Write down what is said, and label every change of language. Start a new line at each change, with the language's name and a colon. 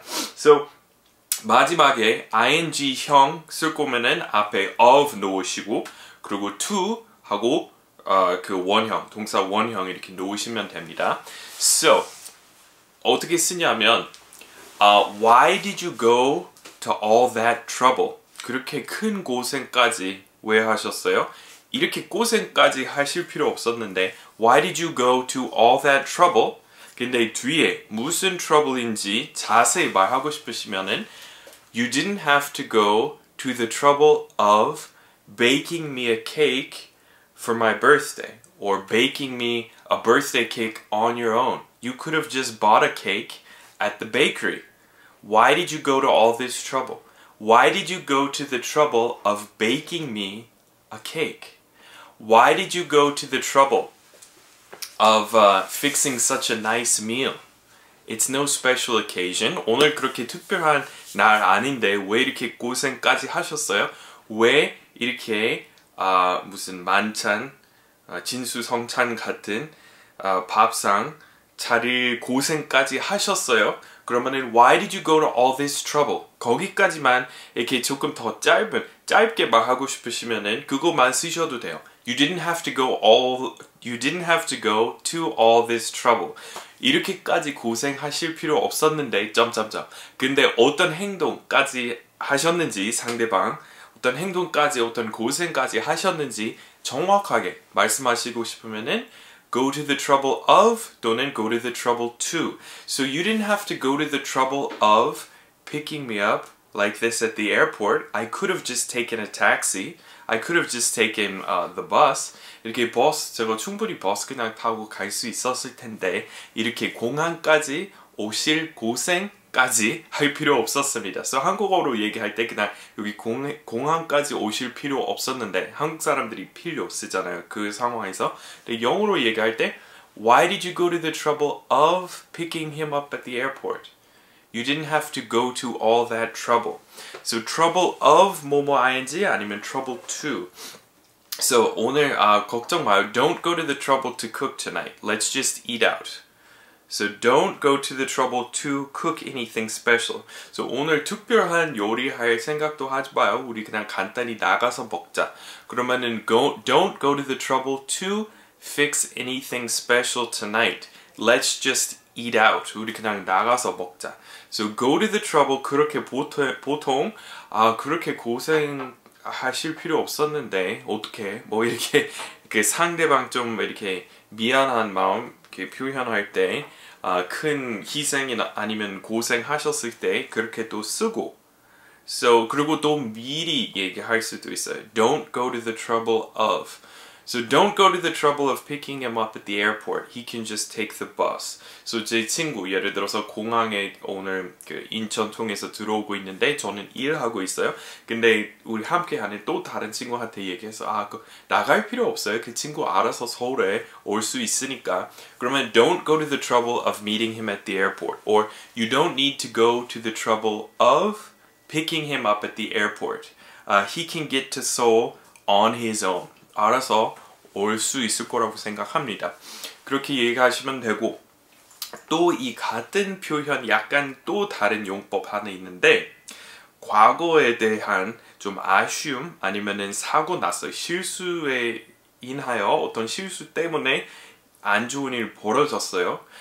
Korean: So 마지막에 ing형 쓸 거면은 앞에 of 놓으시고 그리고 to 하고 그 원형 동사 원형 이렇게 놓으시면 됩니다.
English: So
Korean: 어떻게 쓰냐면
English: why did you go to all that trouble?
Korean: 그렇게 큰 고생까지 왜 하셨어요? 이렇게 고생까지 하실 필요 없었는데
English: why did you go to all that trouble?
Korean: 근데 뒤에 무슨 trouble인지 자세히 말하고 싶으시면은
English: You didn't have to go to the trouble of baking me a cake for my birthday or baking me a birthday cake on your own. You could have just bought a cake at the bakery. Why did you go to all this trouble? Why did you go to the trouble of baking me a cake? Why did you go to the trouble of fixing such a nice meal. It's no special occasion.
Korean: 오늘 그렇게 특별한 날 아닌데 왜 이렇게 고생까지 하셨어요? 왜 이렇게 무슨 만찬, 진수성찬 같은 밥상 차릴 고생까지 하셨어요? 그러면은
English: why did you go to all this trouble?
Korean: 거기까지만 이렇게 조금 더 짧게 말하고 싶으시면은 그거만 쓰셔도 돼요.
English: You didn't have to go to all this trouble.
Korean: 이렇게까지 고생하실 필요 없었는데 점점점. 근데 어떤 행동까지 하셨는지 상대방 어떤 행동까지 어떤 고생까지 하셨는지 정확하게 말씀하시고 싶으면은 go to the trouble of 또는 go to the trouble to.
English: So you didn't have to go to the trouble of picking me up like this at the airport. I could have just taken a taxi. I could have just taken the bus.
Korean: 이렇게 버스, 제가 충분히 버스 그냥 타고 갈 수 있었을 텐데 이렇게 공항까지 오실 고생 까지 할 필요 없었습니다. 그래서 한국어로 얘기할 때 그냥 여기 공항까지 오실 필요 없었는데 한국 사람들이 필요 쓰잖아요. 그 상황에서. 근데 영어로 얘기할 때
English: Why did you go to the trouble of picking him up at the airport? You didn't have to go to all that trouble. So trouble of 뭐뭐 ing 아니면 trouble to.
Korean: So 오늘 걱정 마요.
English: Don't go to the trouble to cook tonight. Let's just eat out. So don't go to the trouble to cook anything special.
Korean: So 오늘 특별한 요리할 생각도 하지 마요. 우리 그냥 간단히 나가서 먹자. 그러면은
English: don't go to the trouble to fix anything special tonight. Let's just eat out.
Korean: 우리 그냥 나가서 먹자. So go to the trouble 그렇게 보통 아 그렇게 고생하실 필요 없었는데 어떻게 뭐 이렇게 그 상대방 좀 이렇게 미안한 마음 이렇게 표현할 때 아 큰 희생이나 아니면 고생하셨을 때 그렇게 또 쓰고 so 그리고 또 미리 얘기할 수도 있어요.
English: Don't go to the trouble of. So don't go to the trouble of picking him up at the airport. He can just take the bus.
Korean: So 제 친구 예를 들어서 공항에 오늘 그 인천 통해서 들어오고 있는데 저는 일하고 있어요. 근데 우리 함께하는 또 다른 친구한테 얘기해서 아 그 나갈 필요 없어요. 그 친구 알아서 서울에 올 수 있으니까. 그러면
English: don't go to the trouble of meeting him at the airport. Or you don't need to go to the trouble of picking him up at the airport. He can get to Seoul on his own.
Korean: 알아서 올 수 있을 거라고 생각합니다. 그렇게 얘기하시면 되고 또 이 같은 표현 약간 또 다른 용법 하나 있는데 과거에 대한 좀 아쉬움 아니면은 사고 났어 실수에 인하여 어떤 실수 때문에 안 좋은 일 벌어졌어요.